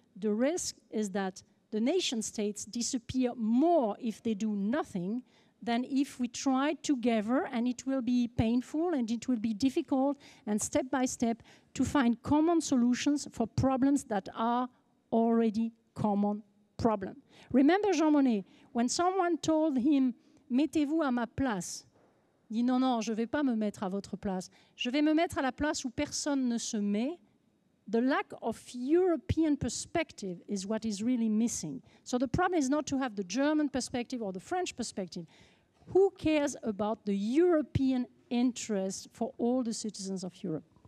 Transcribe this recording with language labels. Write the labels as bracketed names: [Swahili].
[English] The risk is that the nation states disappear more if they do nothing than if we try together, and it will be painful and it will be difficult and step by step to find common solutions for problems that are already common problem. Remember Jean Monnet, when someone told him, [French] mettez-vous à ma place, il dit non, je ne vais pas me mettre à votre place, je vais me mettre à la place où personne ne se met. [English] The lack of European perspective is what is really missing. So the problem is not to have the German perspective or the French perspective. Who cares about the European interest for all the citizens of Europe?